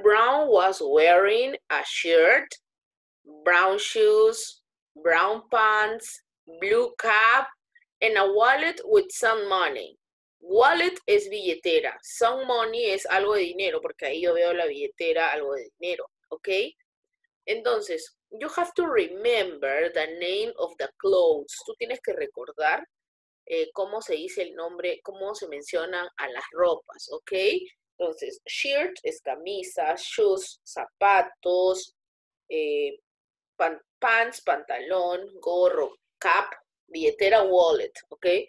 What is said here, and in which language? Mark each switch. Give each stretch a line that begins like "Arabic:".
English: Brown was wearing a shirt, brown shoes, brown pants, blue cap, and a wallet with some money.
Spanish: Wallet es billetera.
English: Some money
Spanish: es algo de dinero, porque ahí yo veo la billetera, algo de dinero. ¿Ok?
English: Entonces, you have to remember the name of the clothes.
Spanish: Tú tienes que recordar cómo se dice el nombre, cómo se mencionan a las ropas, ¿ok? Entonces, shirt es camisa, shoes, zapatos, pants, pantalón, gorro, cap, billetera, wallet, ¿ok?